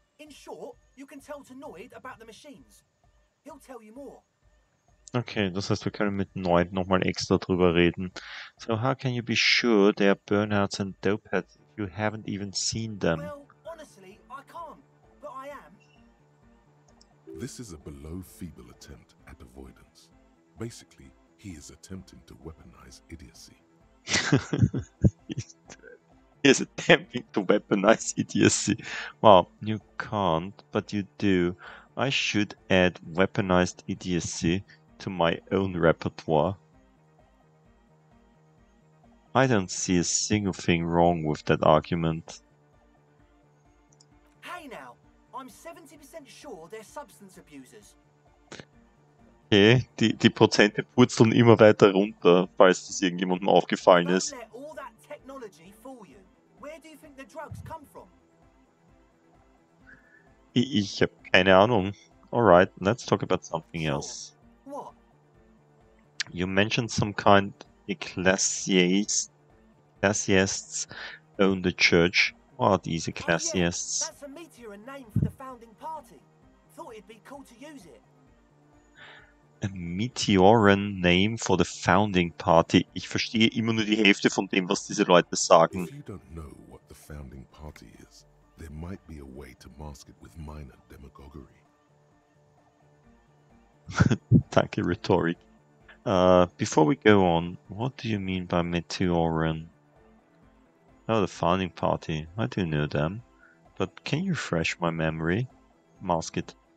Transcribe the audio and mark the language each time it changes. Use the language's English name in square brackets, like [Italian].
[English] In short, you can tell to Noid about the machines. He'll tell you more. [German] Okay, das heißt, wir können mit Noid nochmal extra drüber reden. [English] So, how can you be sure there are burnouts and dopeheads? You haven't even seen them. Well, honestly, I can't, but I am. This is a below feeble attempt at avoidance. Basically, he is attempting to weaponize idiocy. He is attempting to weaponize idiocy. Well, you can't, but you do. I should add weaponized idiocy to my own repertoire. I don't see a single thing wrong with that argument. Hey now, I'm 70% sure they're substance abusers. [German] Okay, die Prozente purzeln immer weiter runter, falls das irgendjemandem aufgefallen ist. [English] Don't let all that technology fool you. Where do you think the drugs come from? [German] Ich hab keine Ahnung. [English] Alright, let's talk about something else. What? You mentioned some kind... Ecclesiastes own the church. What are these Ecclesiastes? That's a meteor and name for the founding party. Thought it'd be cool to use it. A meteoran name for the founding party. [German] Ich verstehe immer nur die Hälfte von dem, was diese Leute sagen. [English] If you don't know what the founding party is, there might be a way to mask it with minor demagoguery. [German] Danke, Rhetorik. [English] Before we go on, what do you mean by Meteoran? Oh, the founding party. I do know them. But can you refresh my memory? Mask it.